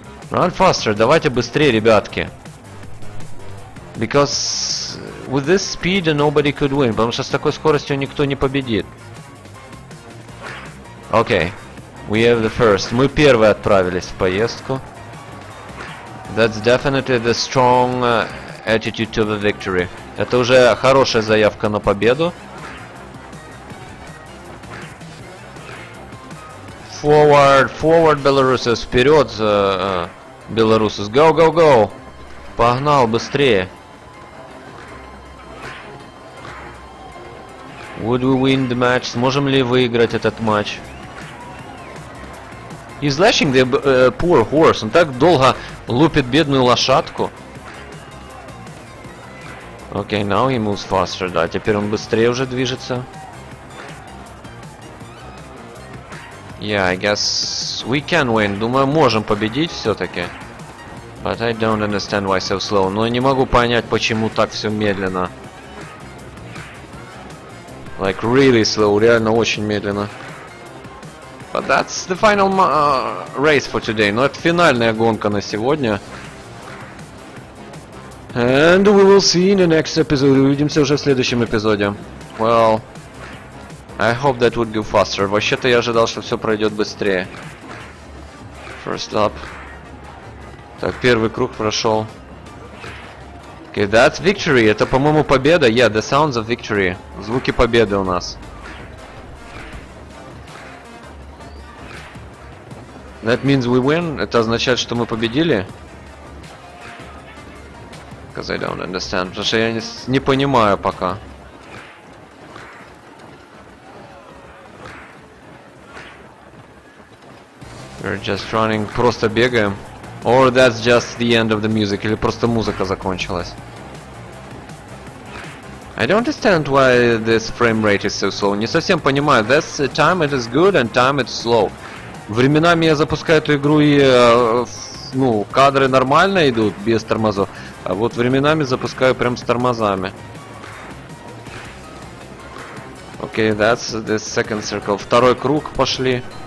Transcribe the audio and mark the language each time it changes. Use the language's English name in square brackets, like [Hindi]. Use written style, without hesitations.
[English] Run faster, [Russian] давайте быстрее, ребятки. [English] Because with this speed nobody could win, [Russian] потому что с такой скоростью никто не победит. [English] Okay. We have the first. [Russian] Мы первые отправились в поездку. [English] That's definitely the strong attitude to the victory. [Russian] Это уже хорошая заявка на победу. [English] Forward, forward, Belarusians. [Russian] Вперед, [English] Belarusians. Go, go, go. [Russian] Погнал, быстрее. [English] Would we win the match? [Russian] Сможем ли выиграть этот матч? [English] He's lashing the poor horse. [Russian] Он так долго лупит бедную лошадку. [English] Okay, now he moves faster. [Russian] Да, теперь он быстрее уже движется. [English] Yeah, I guess we can win. [Russian] Думаю, можем победить все-таки. [English] But I don't understand why so slow. [Russian] Но не могу понять, почему так все медленно. [English] Like really slow. [Russian] Реально очень медленно. [English] But that's the final race for today. [Russian] Но это финальная гонка на сегодня. [English] And we will see in the next episode. [Russian] Увидимся уже в следующем эпизоде. [English] Well, I hope that would go faster. [Russian] Вообще-то я ожидал, что все пройдет быстрее. [English] First up. [Russian] Так, первый круг прошел. [English] Okay, that's victory. [Russian] Это, по-моему, победа. [English] Yeah, the sounds of victory. [Russian] Звуки победы у нас. [English] That means we win. [Russian] Это означает, что мы победили. [English] because I don't understand. [Russian] Потому что я не понимаю пока. [English] We're just running, [Russian] просто бегаем. [English] Or that's just the end of the music, [Russian] или просто музыка закончилась. [English] I don't understand why this frame rate is so slow. [Russian] Не совсем понимаю. [English] That's time it is good and time it's slow. [Russian] Временами я запускаю эту игру и ну, кадры нормально идут, без тормозов. А вот временами запускаю прям с тормозами. [English] Okay, that's the second circle. [Russian] Второй круг пошли.